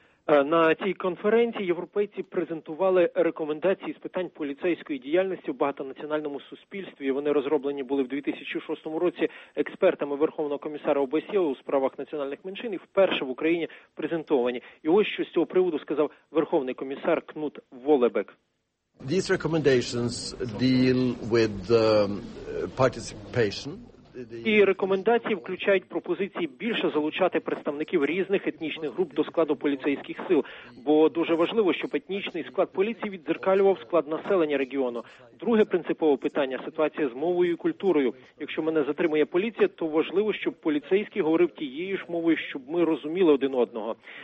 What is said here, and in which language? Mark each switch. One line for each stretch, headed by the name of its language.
Ukrainian: На цій конференції європейці презентували рекомендації з питань поліцейської діяльності в багатонаціональному суспільстві. Вони розроблені були в 2006 році експертами Верховного комісара ОБСЄ у справах національних меншин і вперше в Україні презентовані. І ось що з цього приводу сказав Верховний комісар Кнут Волебек.
English: These recommendations deal with participation.
Ukrainian: Ці рекомендації включають пропозиції більше залучати представників різних етнічних груп до складу поліцейських сил, бо дуже важливо, щоб етнічний склад поліції віддзеркалював склад населення регіону. Друге принципове питання – ситуація з мовою і культурою. Якщо мене затримує поліція, то важливо, щоб поліцейський говорив тією ж мовою, щоб ми розуміли один одного.